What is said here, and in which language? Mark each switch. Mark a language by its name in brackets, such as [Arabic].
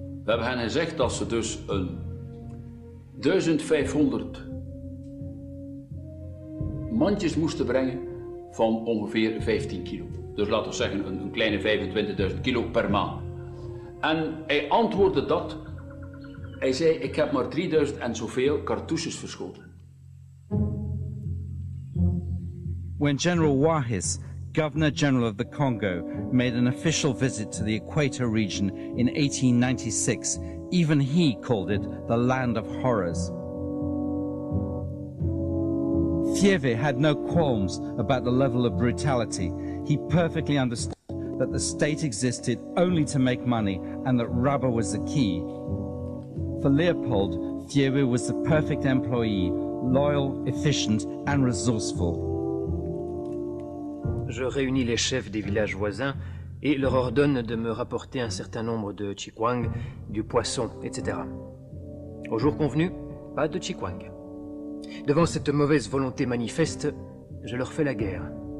[Dutch] We hebben hen gezegd dat ze dus een 1500 mandjes moesten brengen van ongeveer 15 kilo. Dus laten we zeggen een kleine 25.000 kilo per maand. En hij antwoordde dat. Hij zei, ik heb maar 3000 en zoveel cartouches verschoten. [English] When General Wahis, Governor-General of the Congo, made an official visit to the Equator region in 1896, even he called it the land of horrors. Thiéwé had no qualms about the level of brutality. He perfectly understood that the state existed only to make money and that rubber was the key. For Leopold, Thiéwé was the perfect employee, loyal, efficient and resourceful. [French] Je réunis les chefs des villages voisins et leur ordonne de me rapporter un certain nombre de chikwang, du poisson, etc. Au jour convenu, pas de chikwang. Devant cette mauvaise volonté manifeste, je leur fais la guerre.